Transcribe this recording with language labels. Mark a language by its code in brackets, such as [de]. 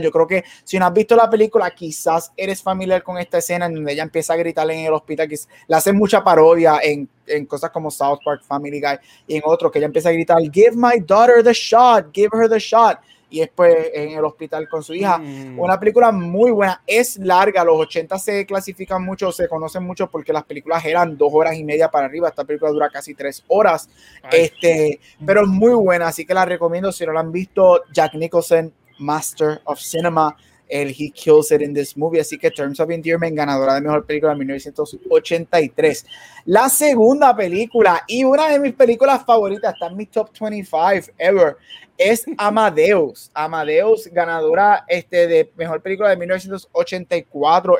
[es] Yo creo que si no has visto la película, quizás eres familiar con esta escena en donde ella empieza a gritar en el hospital, que le hace mucha parodia en cosas como South Park, Family Guy y en otros, que ella empieza a gritar, [en] give my daughter the shot, [es] give her the shot, y después en el hospital con su hija. Una película muy buena, es larga, los 80 se clasifican mucho, se conocen mucho porque las películas eran 2 horas y media para arriba, esta película dura casi 3 horas. Ay. Pero es muy buena, así que la recomiendo si no la han visto. [en] Jack Nicholson, master of cinema, he kills it in this movie. [es] Así que Terms of Endearment, ganadora de mejor película de 1983. La segunda película y una de mis películas favoritas, está en mi top 25 ever, es Amadeus, ganadora de mejor película de 1984.